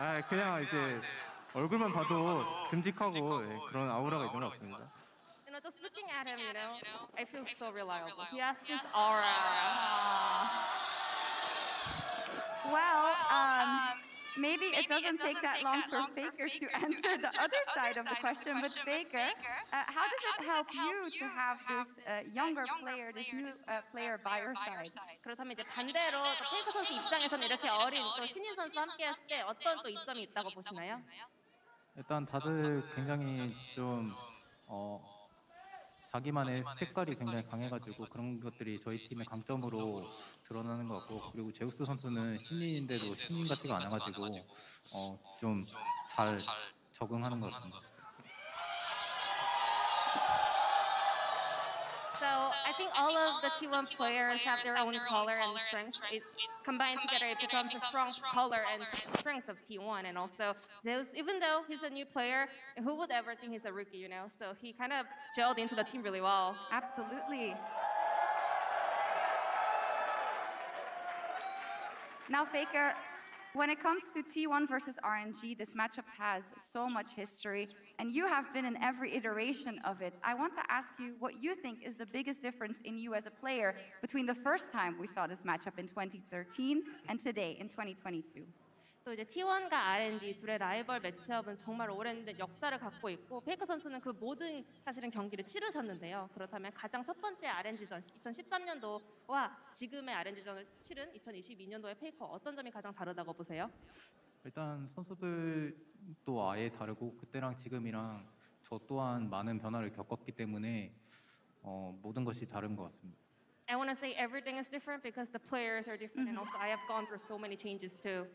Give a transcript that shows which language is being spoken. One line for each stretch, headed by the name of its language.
Korean: 그냥 이제 얼굴만 봐도 듬직하고 그런 아우라가 있는 것 같습니다.
English: You know, just looking at him, you know, I feel so reliable. He has this aura. Well, maybe it doesn't take that long for Faker to answer the other side of the question, but Faker, how does it help you to have this younger player, this new player by your side?
Korean: 그렇다면 이제 반대로 페이커 선수 입장에서는 이렇게 어린 또 신인 선수와 함께했을 때 어떤 또 이점이 있다고 보시나요? 일단 다들 굉장히 좀 자기만의 색깔이 굉장히 강해가지고 그런 것들이 저희 팀의 강점으로 드러나는 것 같고, 그리고 제우스 선수는 신인인데도 신인 같지가 않아가지고 좀 잘 적응하는 것 같습니다.
English: So I think all of the T1 players have their own color and strength. It combined together, it becomes a strong color and strength of T1. And also Zeus, even though he's a new player, who would ever think he's a rookie, you know? So he kind of gelled into the team really well. Absolutely. Now Faker, when it comes to T1 versus RNG, this matchup has so much history, and you have been in every iteration of it. I want to ask you what you think is the biggest difference in you as a player between the first time we saw this matchup in 2013 and today in 2022.
Korean: 또 이제 T1과 RNG 둘의 라이벌 매치업은 정말 오랜 역사를 갖고 있고, 페이커 선수는 그 모든 사실은 경기를 치르셨는데요. 그렇다면 가장 첫 번째 RNG전, 2013년도와 지금의 RNG전을 치른 2022년도의 페이커, 어떤 점이 가장 다르다고 보세요? 일단 선수들도 아예 다르고, 그때랑 지금이랑 저 또한 많은 변화를 겪었기 때문에 모든 것이 다른 것 같습니다.
English: I want to say everything is different because the players are different, mm-hmm. and also I have gone through so many changes too.